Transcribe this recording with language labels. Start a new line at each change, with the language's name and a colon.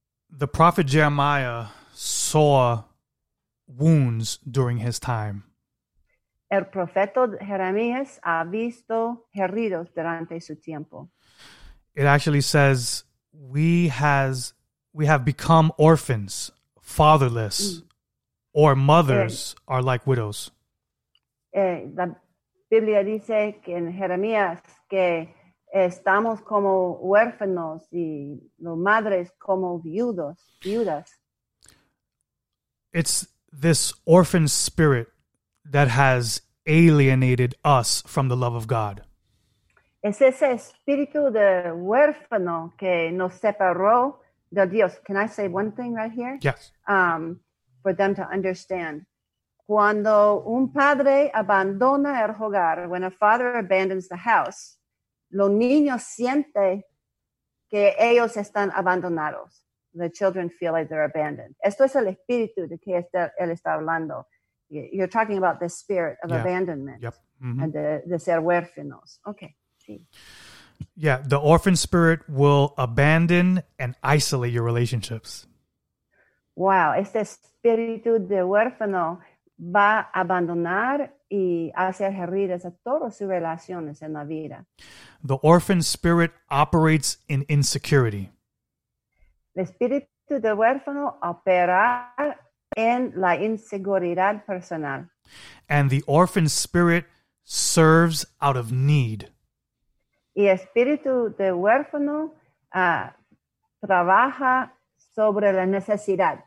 English: The prophet Jeremiah saw wounds during his time.
Spanish: El profeta Jeremías ha visto heridos durante su tiempo.
English: It actually says, we have become orphans, fatherless, or mothers are like widows.
Spanish: La Biblia dice que en Jeremías que estamos como huérfanos y los madres como viudas.
English: It's this orphan spirit that has alienated us from the love of God.
Spanish: Es ese espíritu de huérfano que nos separó de Dios.
English: Can I say one thing right here? Yes. For them to understand.
Spanish: Cuando un padre abandona el hogar,
English: when a father abandons the house,
Spanish: los niños sienten que ellos están abandonados.
English: The children feel like they're abandoned.
Spanish: Esto es el espíritu de que él está hablando.
English: You're talking about the spirit of abandonment. Yep. Mm-hmm. And
Spanish: de ser huérfanos.
English: Okay.
Spanish: Sí.
English: Yeah, the orphan spirit will abandon and isolate your relationships.
Spanish: Wow, este espíritu de huérfano va a abandonar y hacer heridas a todas sus relaciones en la vida.
English: The orphan spirit operates in insecurity.
Spanish: El espíritu de huérfano opera en la inseguridad personal.
English: And the orphan spirit serves out of need.
Spanish: Y el espíritu de huérfano trabaja sobre la necesidad.